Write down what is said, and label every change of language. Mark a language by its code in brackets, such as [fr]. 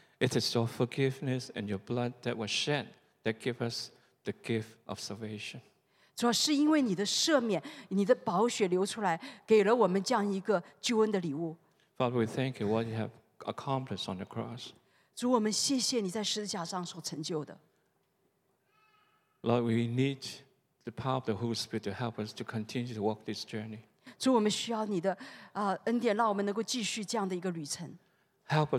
[en] It is your forgiveness and your blood that was shed that give us the gift of salvation. [zh] 主啊，是因为你的赦免，你的宝血流出来，给了我们这样一个救恩的礼物。 [en] Father, we thank you what you have accomplished on the cross. [zh] 主，我们谢谢你在十字架上所成就的。 [en] Lord, we need the power of the Holy Spirit to help us to continue to walk this journey. [zh] 主，我们需要你的恩典，让我们能够继续这样的一个旅程。 [en] Help